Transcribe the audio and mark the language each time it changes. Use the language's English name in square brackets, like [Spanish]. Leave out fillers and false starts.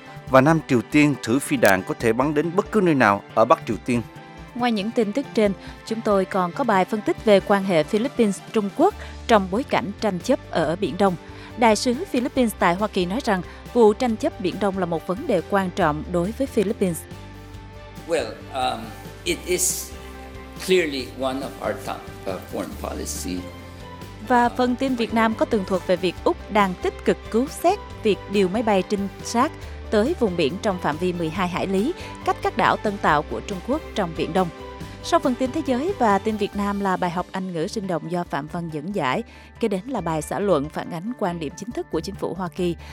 [Vietnamese] Và Nam Triều Tiên thử phi đạn có thể bắn đến bất cứ nơi nào ở Bắc Triều Tiên. Ngoài những tin tức trên, chúng tôi còn có bài phân tích về quan hệ Philippines-Trung Quốc trong bối cảnh tranh chấp ở Biển Đông. Đại sứ Philippines tại Hoa Kỳ nói rằng vụ tranh chấp Biển Đông là một vấn đề quan trọng đối với Philippines. [English] It is clearly one of our top foreign policy. [Vietnamese] Và phần tin Việt Nam có tường thuật về việc Úc đang tích cực cứu xét việc điều máy bay trinh sát tới vùng biển trong phạm vi 12 hải lý, cách các đảo Tân Tạo của Trung Quốc trong Biển Đông. Sau phần tin thế giới và tin Việt Nam là bài học Anh ngữ sinh động do Phạm Văn dẫn giải, kế đến là bài xã luận phản ánh quan điểm chính thức của chính phủ Hoa Kỳ.